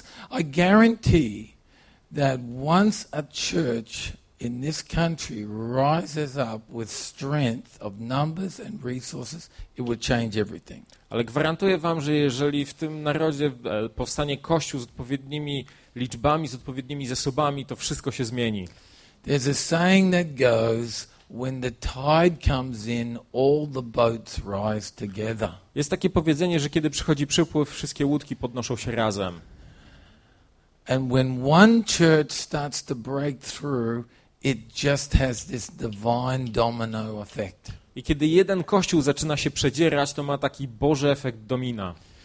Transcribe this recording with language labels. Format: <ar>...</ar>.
<en>I guarantee that once a church in this country rises up with strength of numbers and resources, it will change everything.</en> <pl>Ale gwarantuję wam, że jeżeli w tym narodzie powstanie kościół z odpowiednimi liczbami, z odpowiednimi zasobami, to wszystko się zmieni.</pl> <en>There's a saying that goes, when the tide comes in, all the boats rise together.</en> <pl>Jest takie powiedzenie, że kiedy przychodzi przypływ, wszystkie łódki podnoszą się razem.</pl> <en>And when one church starts to break through, it just has this divine domino effect.</en> <pl>I kiedy jeden kościół zaczyna się przedzierać, to ma taki Boży efekt domina.</pl>